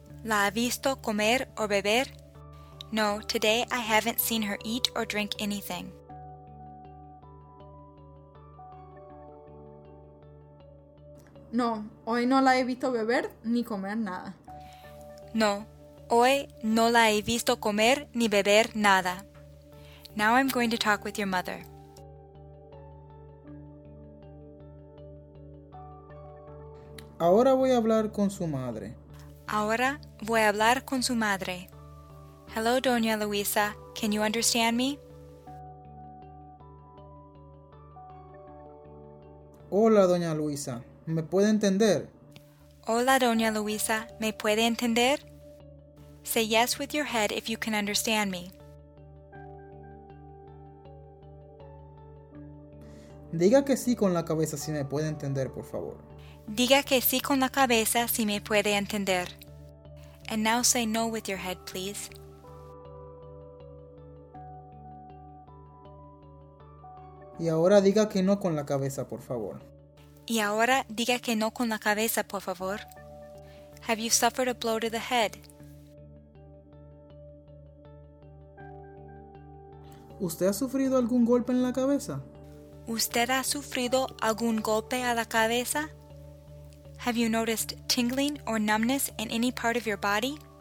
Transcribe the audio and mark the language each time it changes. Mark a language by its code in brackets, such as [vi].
[es] ¿La ha visto comer o beber? [en] No, today I haven't seen her eat or drink anything. [es] No, hoy no la he visto beber ni comer nada. No, hoy no la he visto comer ni beber nada. [en] Now I'm going to talk with your mother. [es] Ahora voy a hablar con su madre. Ahora voy a hablar con su madre. [en] Hello, Doña Luisa. Can you understand me? [es] Hola, Doña Luisa. ¿Me puede entender? Hola, Doña Luisa. ¿Me puede entender? [en] Say yes with your head if you can understand me. [es] Diga que sí con la cabeza si me puede entender, por favor. Diga que sí con la cabeza si me puede entender. [en] And now say no with your head, please. [es] Y ahora diga que no con la cabeza, por favor. Y ahora diga que no con la cabeza, por favor. [en] Have you suffered a blow to the head? [es] ¿Usted ha sufrido algún golpe en la cabeza? ¿Usted ha sufrido algún golpe a la cabeza? [en] Have you noticed tingling or numbness in any part of your body?